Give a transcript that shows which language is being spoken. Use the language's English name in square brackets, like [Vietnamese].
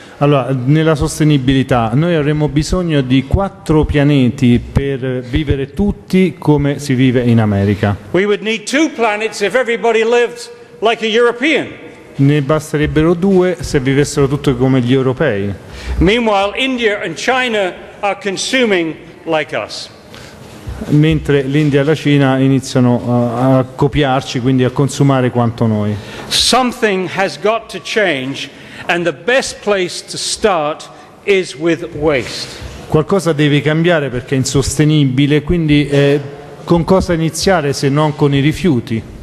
[Italian] Allora, nella sostenibilità, noi avremmo bisogno di quattro pianeti per vivere tutti come si vive in America. [English] We would need two planets if everybody lived like a European. [Italian] Ne basterebbero due se vivessero tutti come gli europei. [English] Meanwhile, India and China are consuming like us. [Italian] Mentre l'India e la Cina iniziano a copiarci, quindi a consumare quanto noi. [English] Something has got to change, and the best place to start is with waste. [Italian] Qualcosa deve cambiare perché è insostenibile, quindi con cosa iniziare se non con i rifiuti?